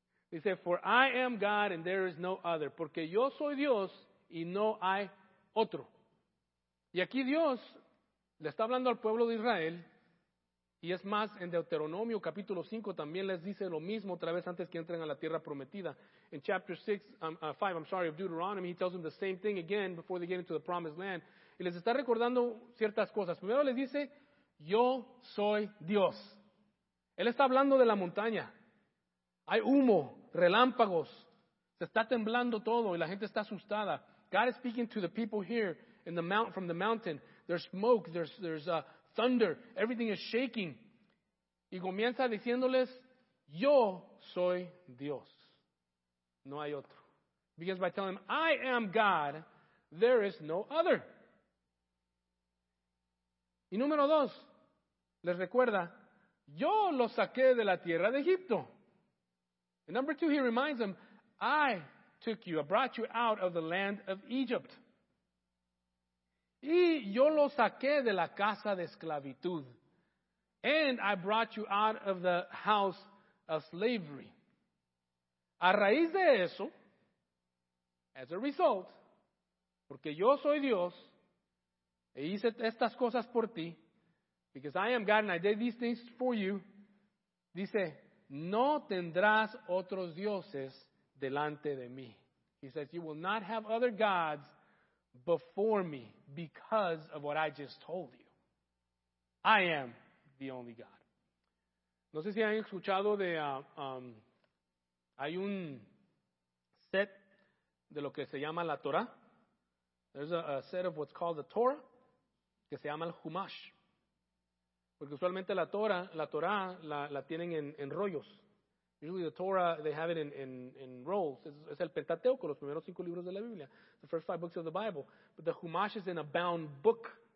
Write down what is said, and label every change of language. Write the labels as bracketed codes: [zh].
[es] Dice, [en] for I am God and there is no other. [es] Porque yo soy Dios y no hay otro. Y aquí Dios le está hablando al pueblo de Israel. Y es más, en Deuteronomio capítulo 5 también les dice lo mismo otra vez antes que entren a la tierra prometida. [en] In chapter 5, I'm sorry, of Deuteronomy, he tells them the same thing again before they get into the promised land. [es] Y les está recordando ciertas cosas. Primero les dice, yo soy Dios. Él está hablando de la montaña. Hay humo, relámpagos. Se está temblando todo y la gente está asustada. [en] God is speaking to the people here in the mount, from the mountain. There's smoke, there's thunder, everything is shaking. [es] Y comienza diciéndoles, yo soy Dios. No hay otro. [en] Begins by telling them, I am God, there is no other. [es] Y número dos, les recuerda, yo los saqué de la tierra de Egipto. [en] And number two, he reminds them, I took you, I brought you out of the land of Egypt. [es] Y yo lo saqué de la casa de esclavitud. [en] And I brought you out of the house of slavery. [es] A raíz de eso, [en] as a result, [es] porque yo soy Dios, e hice estas cosas por ti, [en] because I am God and I did these things for you, [es] dice, no tendrás otros dioses delante de mí. [en] He says, you will not have other gods before me, because of what I just told you. I am the only God. [es] No sé si han escuchado de, hay un set de lo que se llama la Torah. [en] There's a set of what's called the Torah, [es] que se llama el Humash. Porque usualmente la Torah la tienen en rollos. [en] Usually the Torah, they have it in rolls. [es] Es el Pentateuco, los primeros cinco libros de la Biblia. [en] The first five books of the Bible. But the Humash is in a bound book.